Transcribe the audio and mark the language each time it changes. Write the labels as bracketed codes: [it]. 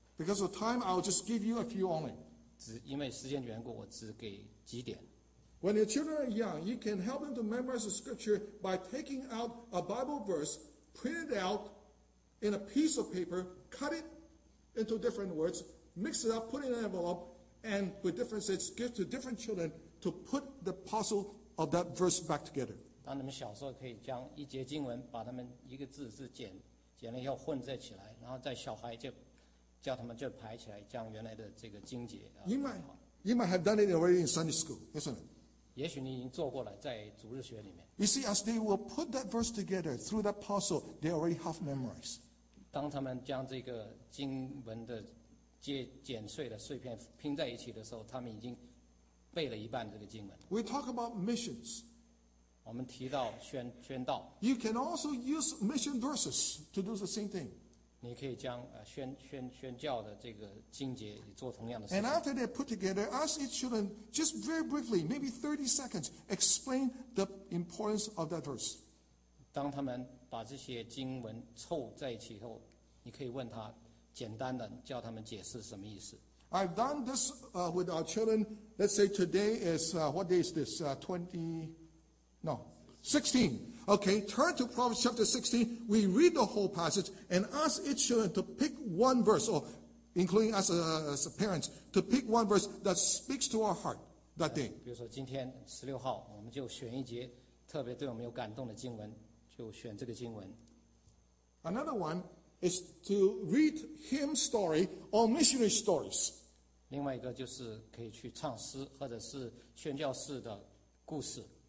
[en] Because of time, I'll just give you a few only. [zh] 只因为时间缘故，我只给几点。 [en] When your children are young, you can help them to memorize the scripture by taking out a Bible verse, print it out in a piece of paper, cut it into different words, mix it up, put it in an envelope, and with different sets, give to different children. To put the puzzle of that verse back together. [zh] 当你们小时候可以将一节经文把它们一个字字剪了以后混在起来，然后在小孩就叫他们就排起来，将原来的这个经节。 [en] You might have done it already in Sunday school, isn't it? [zh] 也许你已经做过了，在主日学里面。 [en] You see, as they will put that verse together through that puzzle, they already have memorized. [zh] 当他们将这个经文的剪碎的碎片拼在一起的时候，他们已经。背了一半的这个经文。 [en] We talk about missions. [zh] 我们提到宣道。 [en] You can also use mission verses to do the same thing. [zh] 你可以将宣教的这个经节也做同样的事情。 [en] And after they're put together, ask each children just very briefly, maybe 30 seconds, explain the importance of that verse. [zh] 当他们把这些经文凑在一起后，你可以问他简单的叫他们解释什么意思。 [en] I've done this with our children. Let's say today is, what day is this? 16. Okay, turn to Proverbs chapter 16. We read the whole passage and ask each children to pick one verse, or including us as parents, to pick one verse that speaks to our heart that day. [zh] 比如说今天16号，我们就选一节特别对我们有感动的经文，就选这个经文。 [en] Another one. Is to read hymn story or missionary stories. [zh] 另外一个就是可以去唱诗或者是宣教士的故事。